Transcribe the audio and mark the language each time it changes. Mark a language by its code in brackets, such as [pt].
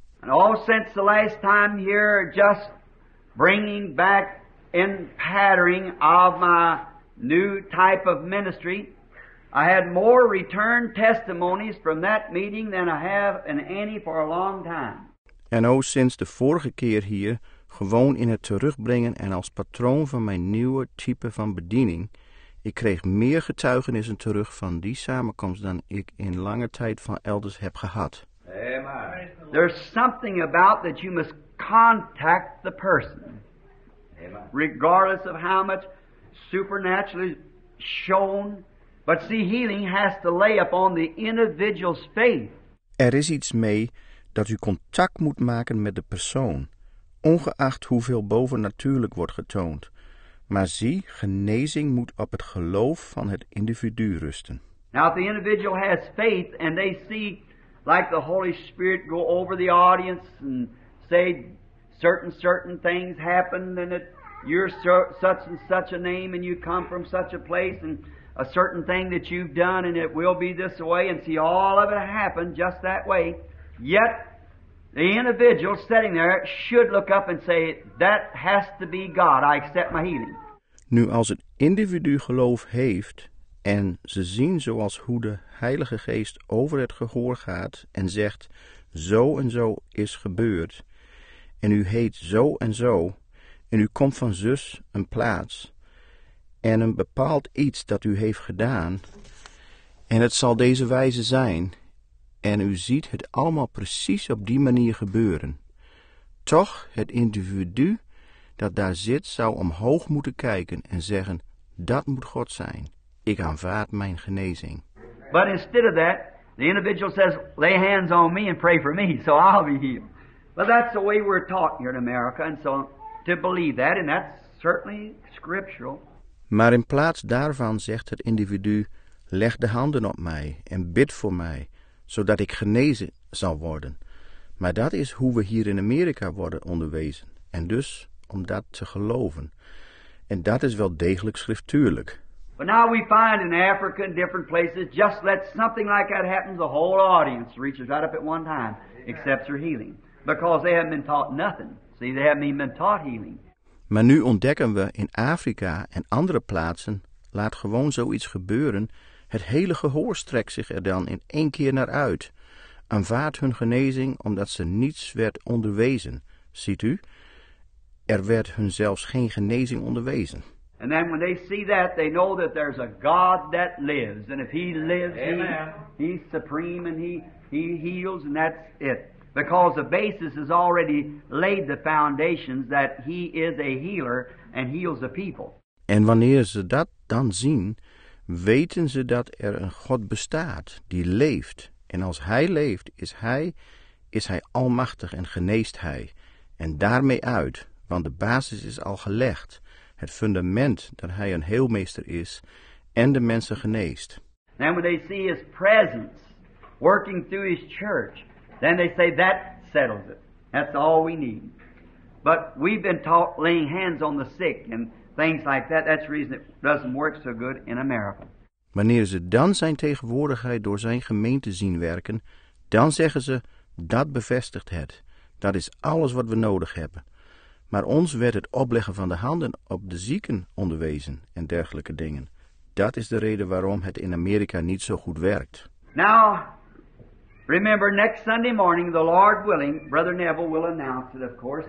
[en] And all since the last time here, just bringing back in pattering of my new type of ministry, I had more return testimonies from that meeting than I have in any for a long time. [nl] En ook sinds de vorige keer hier, gewoon in het terugbrengen en als patroon van mijn nieuwe type van bediening, ik kreeg meer getuigenissen terug van die samenkomst dan ik in lange tijd van elders heb gehad. [en] Amen. There's something about that you must contact the person. Amen. Regardless of how much supernaturally shown. But see, healing has to lay upon the individual's faith. [nl] Er is iets mee dat u contact moet maken met de persoon, ongeacht hoeveel bovennatuurlijk wordt getoond. Maar zie, genezing moet op het geloof van het individu rusten. [en] Now, if the individual has faith and they see, like the Holy Spirit, go over the audience and say certain things happened, and that you're such and such a name and you come from such a place and a certain thing that you've done and it will be this way, and see all of it happen just that way. Yet, the individual sitting there should look up and say, that has to be God, I accept my healing. [nl] Nu, als het individu geloof heeft en ze zien zoals hoe de Heilige Geest over het gehoor gaat en zegt, zo en zo is gebeurd, en u heet zo en zo, en u komt van zus een plaats, en een bepaald iets dat u heeft gedaan, en het zal deze wijze zijn, en u ziet het allemaal precies op die manier gebeuren. Toch het individu dat daar zit zou omhoog moeten kijken en zeggen, dat moet God zijn. Ik aanvaard mijn genezing. [en] But instead of that, the individual says, lay hands on me and pray for me, so I'll be healed. But that's the way we're taught here in America, and so to believe that, and that's certainly scriptural. [nl] Maar in plaats daarvan zegt het individu, leg de handen op mij en bid voor mij, zodat ik genezen zal worden. Maar dat is hoe we hier in Amerika worden onderwezen. En dus om dat te geloven. En dat is wel degelijk schriftuurlijk. [en] But now we find in Africa and different places, just let something like that happen, the whole audience reaches right up at one time, accepts her healing. Because they haven't been taught nothing. See, they haven't even been taught healing. [nl] Maar nu ontdekken we in Afrika en andere plaatsen, laat gewoon zoiets gebeuren, het hele gehoor strekt zich er dan in één keer naar uit. Aanvaardt hun genezing omdat ze niets werd onderwezen. Ziet u? Er werd hun zelfs geen genezing onderwezen. [en] And then when they see that, they know that there's a God that lives. And if he lives, he's supreme and he heals, and that's it. Because the basis is already laid, the foundations that he is a healer and heals the people. [nl] En wanneer ze dat dan zien, weten ze dat er een God bestaat die leeft. En als hij leeft, is hij almachtig en geneest hij. En daarmee uit, want de basis is al gelegd. Het fundament dat hij een heelmeester is en de mensen geneest. [en] And when they see his presence working through his church, then they say that settles it. That's all we need. But we've been taught laying hands on the sick and things like that. That's the reason it doesn't work so good in America. [nl] Wanneer ze dan zijn tegenwoordigheid door zijn gemeente zien werken, dan zeggen ze, dat bevestigt het. Dat is alles wat we nodig hebben. Maar ons werd het opleggen van de handen op de zieken onderwezen en dergelijke dingen. Dat is de reden waarom het in Amerika niet zo goed werkt. [en] Now, remember, next Sunday morning, the Lord willing, Brother Neville will announce it, of course.